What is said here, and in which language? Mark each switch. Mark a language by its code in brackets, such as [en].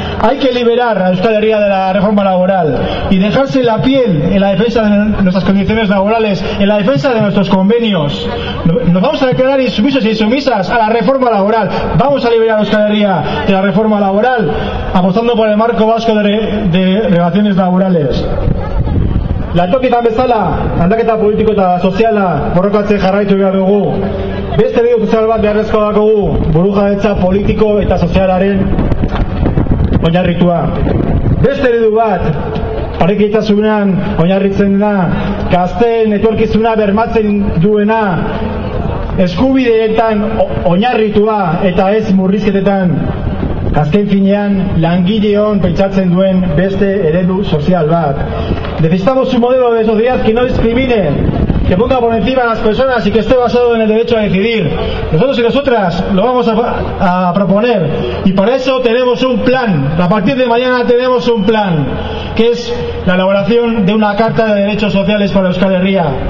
[es] Hay que liberar a Euskal Herria de la reforma laboral y dejarse la piel en la defensa de nuestras condiciones laborales, en la defensa de nuestros convenios. Nos vamos a declarar insumisos y insumisas a la reforma laboral. Vamos a liberar a Euskal Herria de la reforma laboral, apostando por el marco vasco de relaciones laborales. [eu] Lantokietan bezala, aldaketa politiko eta soziala borrokatzen jarraitu behar dugu. Beste bide sozial bat beharrezkoa dakogu, burujabetza politiko eta sozialaren oinarritua. Beste eredu bat, parekidetasunean oinarritzen dena, gazteen etorkizuna bermatzen duena, eskubideetan oinarritua eta ez murrizketetan, azken finean langileon pentsatzen duen beste eredu sozial bat. [es] Necesitamos un modelo de sociedad que no discrimine, que ponga por encima a las personas y que esté basado en el derecho a decidir. Nosotros y nosotras lo vamos a proponer y para eso tenemos un plan. A partir de mañana tenemos un plan, que es la elaboración de una Carta de Derechos Sociales para Euskal Herria.